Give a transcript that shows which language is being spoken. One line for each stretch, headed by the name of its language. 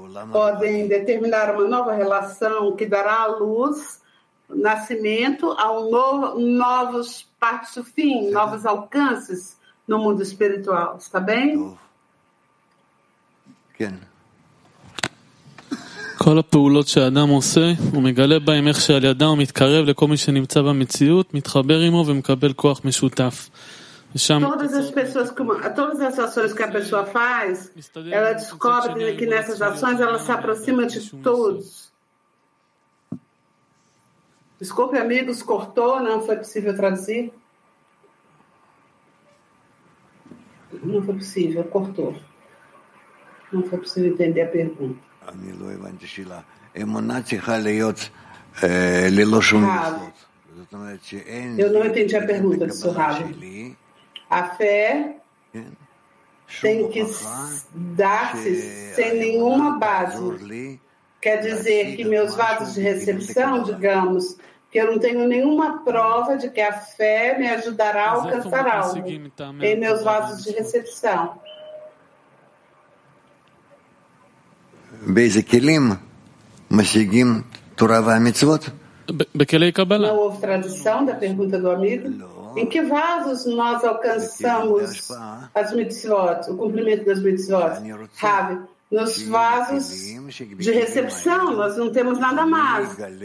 Portuguese: podem determinar uma nova relação que dará à luz, nascimento a um novo, novos partes do fim, novos alcances no mundo espiritual, está bem? Quem?
Hebrew: כל הפעולות שאדם עושה, הוא מגלה בהם איך שעל ידם מתקרב לכל מי שנמצא במציאות, מתחבר עמו ומקבל כוח משותף. ושם
Portuguese: todas as ações que a pessoa faz, ela descobre que nessas ações ela se aproxima de todos. Desculpe, amigos, cortou, não foi possível traduzir? Não foi possível, cortou. Não foi possível entender a pergunta.
Hebrew: אני לא הבנתי שאלה. אמונה צריכה להיות ללא שום מסות. זאת אומרת שאין...
Portuguese: Eu não entendi a pergunta, Surabi. A fé tem que dar-se sem nenhuma base. Quer dizer que meus vasos de recepção, digamos, que eu não tenho nenhuma prova de que a fé me ajudará a alcançar algo em meus vasos de recepção.
Hebrew: באיזה כלים משיגים תורה והמצוות? בכלי קבלה.
Portuguese: Não houve tradução da pergunta do amigo? Em que vasos nós alcançamos as mitzvot, o cumprimento das mitzvot? Rabi, nos vasos de recepção nós não temos nada mais.